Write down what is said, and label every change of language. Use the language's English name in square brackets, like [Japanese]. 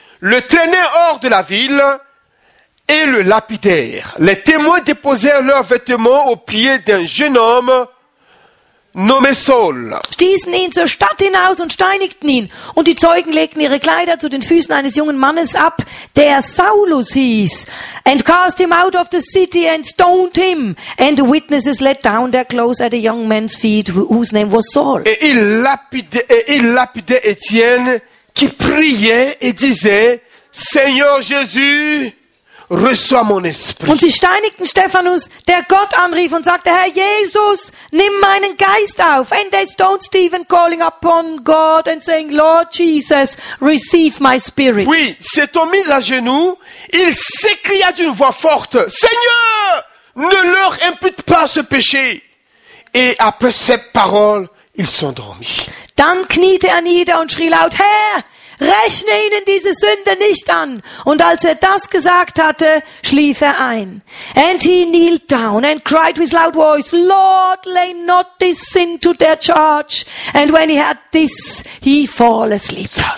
[French] le traînèrent hors de la ville et le lapidèrent. Les témoins déposèrent leurs vêtements aux pieds d'un jeune homme nommé Saul. [German] Stießen ihn zur Stadt hinaus und steinigten ihn. Und die Zeugen legten ihre Kleider zu den Füßen eines jungen Mannes ab, der Saulus hieß. [English] And cast him out of the city and stoned him. And the witnesses let down their clothes at a young man's feet, whose name was Saul. [French] Et il lapidait Étienne, qui priait et disait, Seigneur Jésus, reçois mon esprit. [German] Und sie steinigten Stephanus, der Gott anrief und sagte, Herr Jesus, nimm meinen Geist auf. [English] And they stoned Stephen, calling upon God and saying, Lord Jesus, receive my spirit. [French] Oui, s'étant mis à genoux, il s'écria d'une voix forte, Seigneur, ne leur impute pas ce péché. Et après cette parole, ils s'endormirent. [German] Dann kniete er nieder und schrie laut, Herr, rechne ihnen diese Sünde nicht an. Und als er das gesagt hatte, schlief er ein. [English] And he kneeled down and cried with loud voice, Lord, lay not this sin to their charge. And when he had this, he fall asleep.